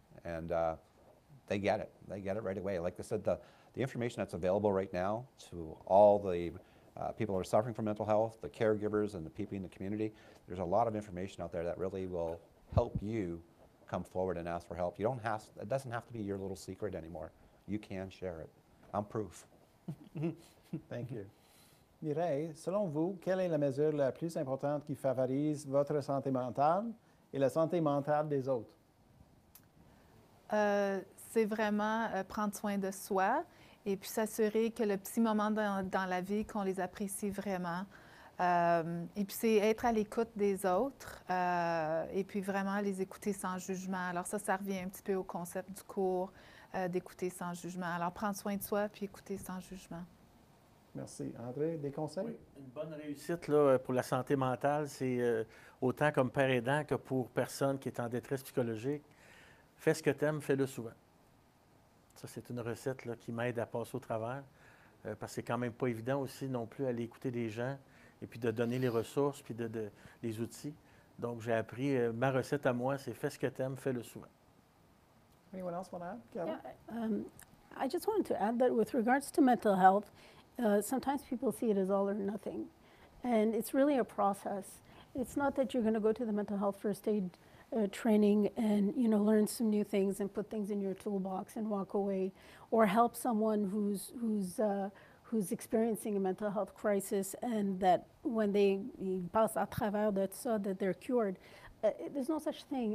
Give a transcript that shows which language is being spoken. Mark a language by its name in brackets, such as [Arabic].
[English] And they get it. They get it right away. Like I said, the information that's available right now to all the people who are suffering from mental health, the caregivers and the people in the community, there's a lot of information out there that really will help you come forward and ask for help. You don't have, it doesn't have to be your little secret anymore. You can share it. I'm proof. Thank you. [French] Mireille, selon vous, quelle est la mesure la plus importante qui favorise votre santé mentale et la santé mentale des autres? C'est vraiment prendre soin de soi et puis s'assurer que le petit moment dans la vie, qu'on les apprécie vraiment. Et puis c'est être à l'écoute des autres et puis vraiment les écouter sans jugement. Alors ça, ça revient un petit peu au concept du cours d'écouter sans jugement. Alors prendre soin de soi puis écouter sans jugement. Merci. André, des conseils? Oui. Une bonne réussite là, pour la santé mentale, c'est autant comme père aidant que pour personne qui est en détresse psychologique. Fais ce que tu aimes, fais-le souvent. Ça, c'est une recette là, qui m'aide à passer au travers, parce que c'est quand même pas évident aussi non plus d'aller écouter des gens et puis de donner les ressources puis de les outils. Donc, j'ai appris ma recette à moi, c'est fais ce que tu aimes, fais-le souvent. [English] Anyone else want to add? Yeah, I just wanted to add that with regards to mental health, sometimes people see it as all or nothing. And it's really a process. It's not that you're going to go to the mental health first aid training and, you know, learn some new things and put things in your toolbox and walk away, or help someone who's experiencing a mental health crisis, and that when they pass [French] à travers [English] that, so that they're cured. There's no such thing.